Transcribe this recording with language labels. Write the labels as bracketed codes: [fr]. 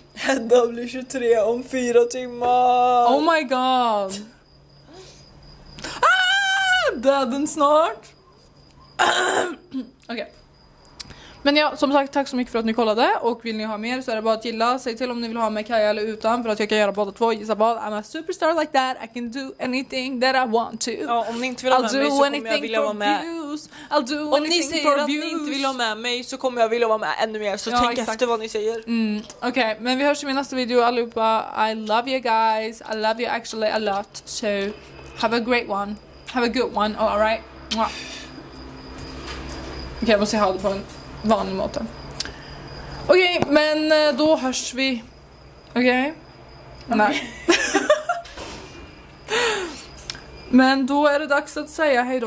[sv] Hedda blir 23 om 4 timmar. [en] Oh my god. [sv] Döden snart. Okej. Men ja, som sagt, tack så mycket för att ni kollade. Och vill ni ha mer så är det bara att gilla. Säg till om ni vill ha med Kaja eller utan. För att jag kan göra båda två. Gissa vad, [en] I'm a superstar like that. I can do anything that I want to. [sv] Ja, om ni inte vill ha med mig så kommer jag vilja vara med. [en] I'll do anything for views. [sv] Om ni säger att ni inte vill ha med mig så kommer jag vilja vara med ännu mer. Så ja, tänk exakt. Efter vad ni säger. Okej, okay, men vi hörs i min nästa video allihopa. [en] I love you guys. I love you actually a lot. So have a great one. Have a good one, all right? Mwah. [sv] Okej, jag måste ha det på en vanlig måte. Okej, men då hörs vi. Okej? Nej. Men då är det dags att säga hej då.